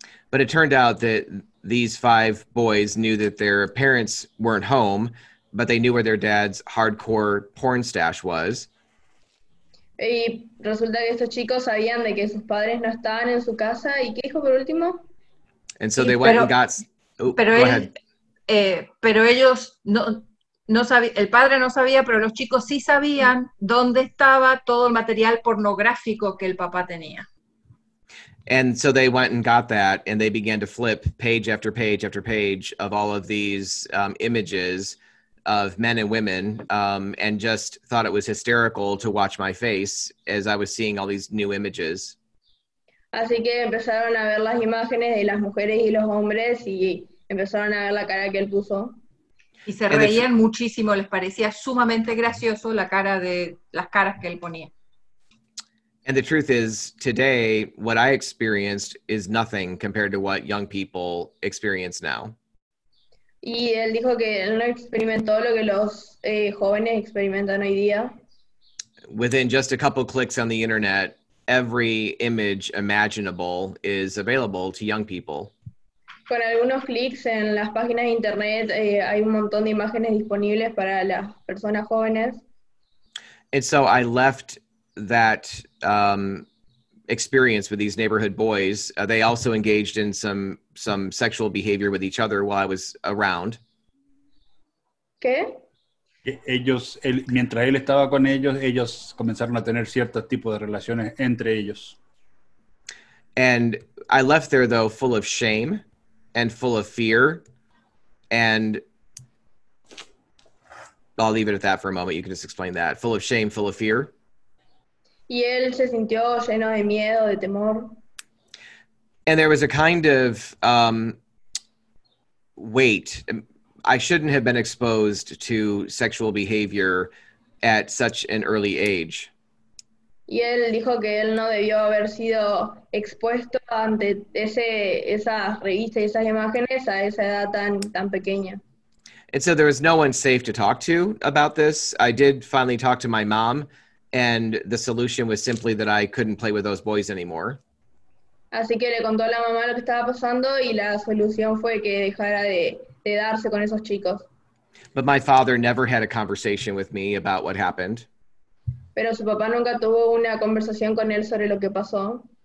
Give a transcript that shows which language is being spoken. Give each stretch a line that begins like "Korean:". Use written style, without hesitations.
English: But it turned out that these 5 boys knew that their parents weren't home, but they knew where their dad's hardcore porn stash was.
Spanish: Y resulta que estos chicos sabían de que sus padres no estaban en su casa. ¿Y qué dijo por último?
English: And so they went and got...
Spanish: Pero ellos no sabían, el padre no sabía, pero los chicos sí sabían dónde estaba todo el material pornográfico que el papá tenía.
English: And so they went and got that, and they began to flip page after page after page of all of these images of men and women, and just thought it was hysterical to watch my face as I was seeing all these new images.
Spanish: Así que empezaron a ver las imágenes de las mujeres y los hombres y empezaron a ver la cara que él puso. Y se reían muchísimo, les parecía sumamente gracioso las caras que él ponía.
English: And the truth is, today, what I experienced is nothing compared to what young people experience now.
Spanish: Y él dijo que no experimentó lo que los jóvenes experimentan hoy día.
English: Within just a couple clicks on the internet, every image imaginable is available to young people.
Spanish: Con algunos clics en las páginas de internet, hay un montón de imágenes disponibles para las personas jóvenes.
English: And so I left that experience with these neighborhood boys. They also engaged in some sexual behavior with each other while I was around.
Spanish: ¿Qué? Ellos, mientras él estaba con ellos, ellos comenzaron a tener ciertos tipos de relaciones entre ellos.
English: And I left there, though, full of shame and full of fear. And I'll leave it at that for a moment. You can just explain that. Full of shame, full of fear.
Spanish: Y él se sintió lleno de miedo, de temor.
English: And there was a kind of weight. I shouldn't have been exposed to sexual behavior at such an early age.
Spanish: Y él dijo que él no debió haber sido expuesto ante esas revistas y esas imágenes a esa edad tan pequeña.
English: And so there was no one safe to talk to about this. I did finally talk to my mom, and the solution was simply that I couldn't play with those boys anymore.
Spanish: Así que le contó a la mamá lo que estaba pasando y la solución fue que dejara de darse con esos chicos.
English: But my father never had a conversation with me about what happened.
Spanish: Pero su papá nunca tuvo una conversación con él sobre lo que pasó.